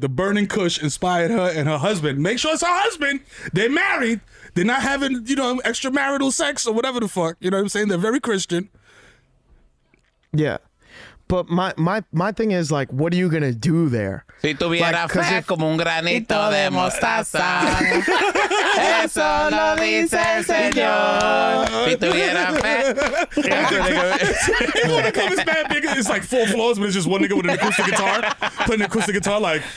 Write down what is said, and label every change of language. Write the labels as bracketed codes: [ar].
[en] The burning kush inspired her and her husband. Make sure it's her husband. They're married. They're not having, you know, extramarital sex or whatever the fuck. You know what I'm saying? They're very Christian. Yeah. But my thing is, like, what are you going to do there? [es] Si tuviera like, fe como un granito de mostaza. Eso lo dice el Señor. Si tuviera fe [en] Yeah, nigga. It's mad big. It's like four floors, but it's just one nigga with an acoustic guitar, playing an acoustic guitar, like.